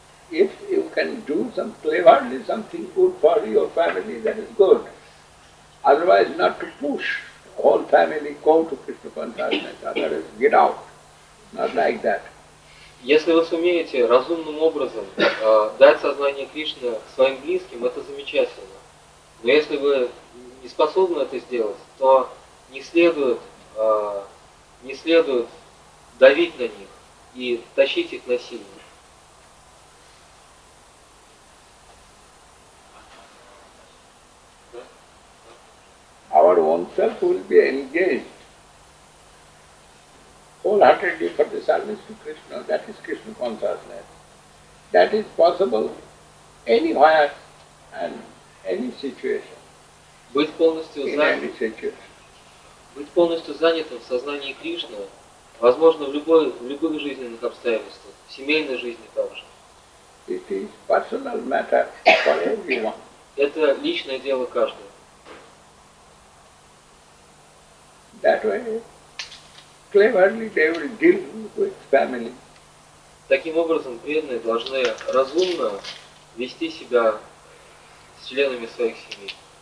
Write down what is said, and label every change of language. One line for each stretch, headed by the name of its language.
English: If you can do some cleverly something good for your family, that is good. Otherwise, not to push whole family go to Krishna consciousness. Otherwise, get out. Not like that.
Russian: Если вы сумеете разумным образом дать сознание Кришны своим близким, это замечательно. Но если вы не способны это сделать, то не следует давить на них и тащить их насильно.
English: Our own self will be engaged wholeheartedly for the service to Krishna, that is Krishna consciousness. That is possible anywhere and any situation.
Russian: Быть полностью занятым в сознании Кришны возможно в любых жизненных обстоятельствах, в семейной жизни также.
English: It is personal matter for everyone.
Russian: Это личное дело каждого.
English: That way, cleverly they will deal with family.
Russian: Таким образом, преданные должны разумно вести себя с членами своих семей.